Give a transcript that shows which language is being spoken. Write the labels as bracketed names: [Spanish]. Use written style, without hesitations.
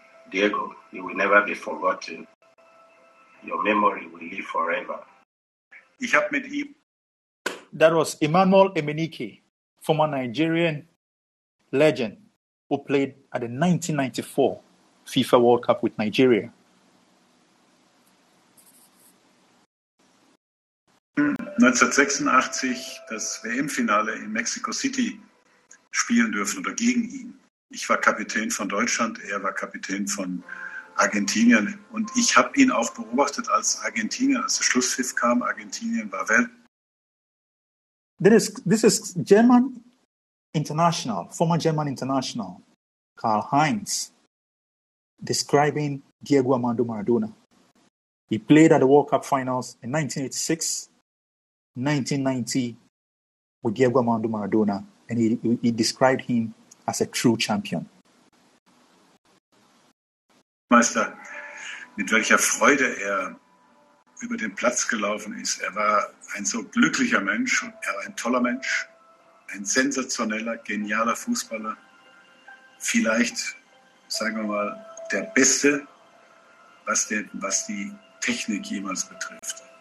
[English] Diego, you will never be forgotten. Your memory will live forever. [German] Ich hab mit ihm. [English] That was Emmanuel Emenike, former Nigerian legend who played at the 1994 FIFA World Cup with Nigeria. [German] '86, das WM-Finale in Mexico City spielen dürfen oder gegen ihn. Ich war Kapitän von Deutschland, er war Kapitän von Argentinien. Und ich habe ihn auch beobachtet als Argentinier, als der Schlusspfiff kam, Argentinien war Welt. [English] This is German international, former German international, Karl Heinz, describing Diego Armando Maradona. He played at the World Cup finals in 1986, 1990 with Diego Armando Maradona, and he described him as a true champion. [German] Meister, mit welcher Freude er über den Platz gelaufen ist. Er war ein so glücklicher Mensch, er war ein toller Mensch, ein sensationeller, genialer Fußballer. Vielleicht, sagen wir mal, der Beste, was die Technik jemals betrifft.